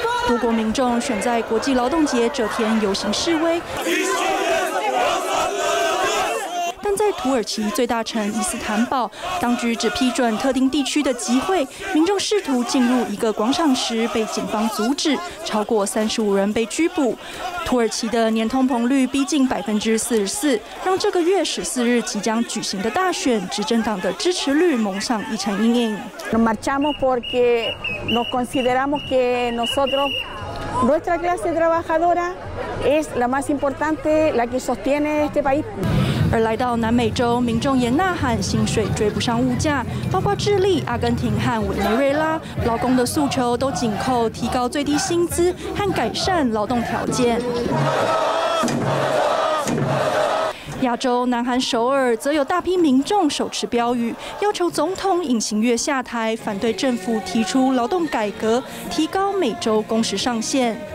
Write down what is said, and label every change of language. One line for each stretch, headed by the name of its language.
Chinese: 德国民众选在国际劳动节这天游行示威，但在土耳其最大城伊斯坦堡，当局只批准特定地区的集会，民众试图进入一个广场时被警方阻止，超过35人被拘捕。土耳其的年通膨率逼近44%，让这个月14日即将举行的大选，执政党的支持率蒙上一层阴影。
Spanish: Nos marchamos porque nos consideramos que nosotros, nuestra clase trabajadora, es la más importante, la que sostiene este país.
Chinese: 而来到南美洲，民众也呐喊薪水追不上物价，包括智利、阿根廷和委内瑞拉，劳工的诉求都紧扣提高最低薪资和改善劳动条件。亚洲南韩首尔则有大批民众手持标语，要求总统尹锡悦下台，反对政府提出劳动改革，提高每周工时上限。